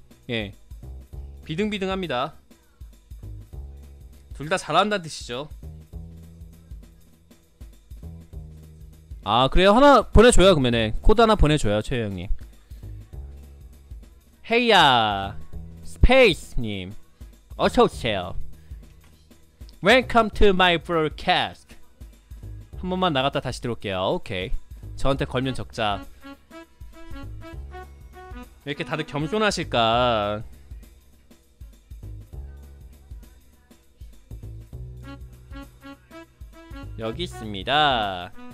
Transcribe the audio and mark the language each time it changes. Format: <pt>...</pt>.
<ko>예 비등비등합니다. 둘 다 잘한다는 뜻이죠. 아 그래요? 하나 보내줘요. 그러면은 코드 하나 보내줘요. 최영님 헤이야 스페이스님 어서오세요.</ko> <en>Welcome to my broadcast.</en> <ko>한 번만 나갔다 다시 들어올게요. 오케이 저한테 걸면 적자. 왜 이렇게 다들 겸손하실까. 여기 있습니다.</ko>